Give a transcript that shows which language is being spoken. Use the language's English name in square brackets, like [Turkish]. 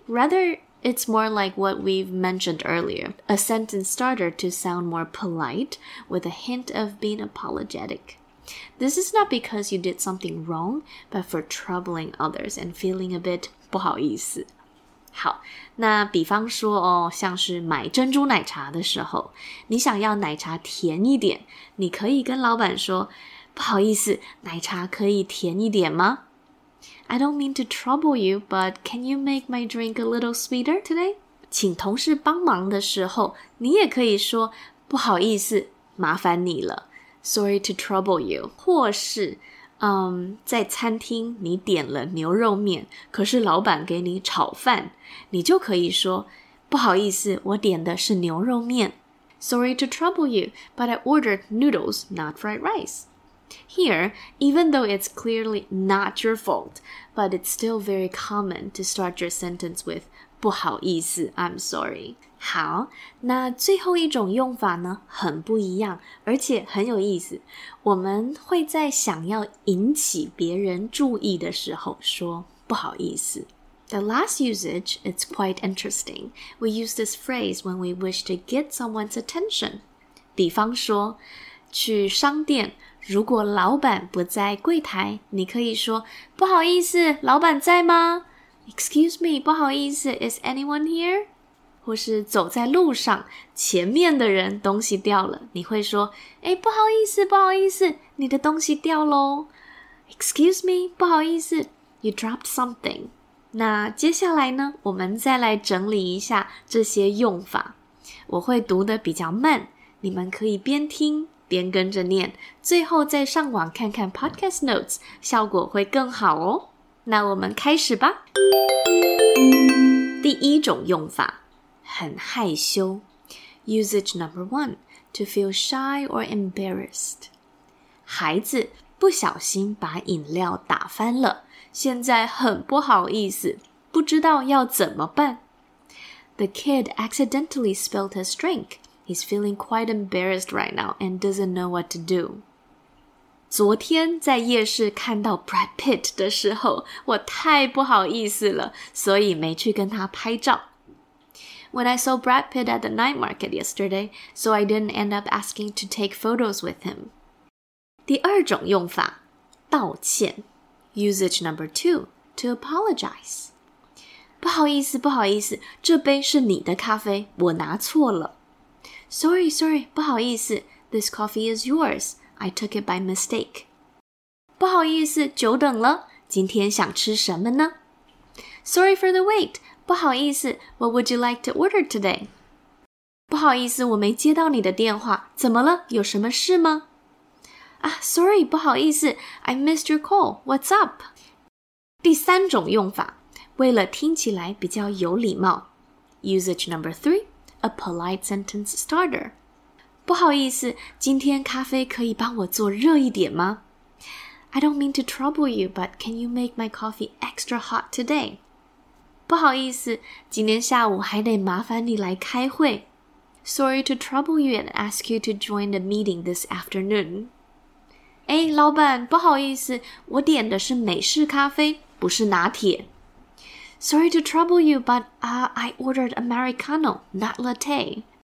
[English] Rather, it's more like what we've mentioned earlier. A sentence starter to sound more polite with a hint of being apologetic. This is not because you did something wrong, but for troubling others and feeling a bit 不好意思。 [Chinese] 好，那比方说哦，像是买珍珠奶茶的时候，你想要奶茶甜一点，你可以跟老板说不好意思，奶茶可以甜一点吗？ [English] I don't mean to trouble you, but can you make my drink a little sweeter today? [Chinese] 请同事帮忙的时候，你也可以说不好意思，麻烦你了。 [English] Sorry to trouble you. [Chinese] 或是在餐厅你点了牛肉面，可是老板给你炒饭，你就可以说不好意思，我点的是牛肉面。 [English] Sorry to trouble you, but I ordered noodles, not fried rice. Here, even though it's clearly not your fault, but it's still very common to start your sentence with 不好意思 I'm sorry. [Chinese] 好，那最后一种用法呢，很不一样，而且很有意思。我们会在想要引起别人注意的时候说不好意思。 [English] The last usage is quite interesting. We use this phrase when we wish to get someone's attention. [Chinese] 比方说，去商店如果老板不在柜台，你可以说不好意思，老板在吗？ [English] Excuse me, 不好意思， is anyone here? [Chinese] 或是走在路上，前面的人东西掉了，你会说诶，不好意思，不好意思，你的东西掉咯。 [English] Excuse me, 不好意思， you dropped something. [Chinese] 那接下来呢，我们再来整理一下这些用法。我会读得比较慢，你们可以边听边跟着念，最后再上网看看 podcast notes， 效果会更好哦。那我们开始吧。第一种用法，很害羞。 [English] Usage number one, to feel shy or embarrassed. [Chinese] 孩子不小心把饮料打翻了，现在很不好意思，不知道要怎么办。 [English] The kid accidentally spilled his drink. He's feeling quite embarrassed right now and doesn't know what to do. [Chinese] 昨天在夜市看到 Brad Pitt 的时候，我太不好意思了，所以没去跟他拍照。 [English] When I saw Brad Pitt at the night market yesterday, so I didn't end up asking to take photos with him. [Chinese] 第二种用法，道歉。 [English] Usage number two, to apologize. [Chinese] 不好意思，不好意思，这杯是你的咖啡，我拿错了。 [English] Sorry, sorry, 不好意思, this coffee is yours. I took it by mistake. [Chinese] 不好意思,久等了,今天想吃什么呢? [English] Sorry for the wait, 不好意思, what would you like to order today? [Chinese] 不好意思,我没接到你的电话,怎么了,有什么事吗? [English] Ah, sorry, 不好意思, I missed your call, what's up? [Chinese] 第三种用法,为了听起来比较有礼貌。 [English] Usage number three. A polite sentence starter. [Chinese] 不好意思，今天咖啡可以帮我做热一点吗？ [English] I don't mean to trouble you, but can you make my coffee extra hot today? [Chinese] 不好意思，今天下午还得麻烦你来开会。 [English] Sorry to trouble you and ask you to join the meeting this afternoon. [Chinese] 诶，老板，不好意思，我点的是美式咖啡，不是拿铁。 [English] Sorry to trouble you, but I ordered Americano, not latte.